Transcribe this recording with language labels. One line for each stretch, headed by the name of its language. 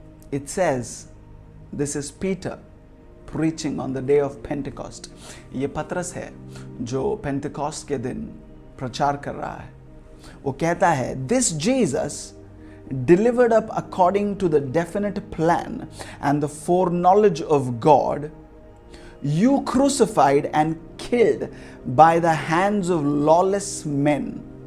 English: It says, this is Peter preaching on the day of Pentecost.
Hindi: ये पत्रस है जो Pentecost के दिन प्रचार कर रहा है. वो कहता है,
English: this Jesus delivered up according to the definite plan and the foreknowledge of God, you crucified and killed by the hands of lawless men.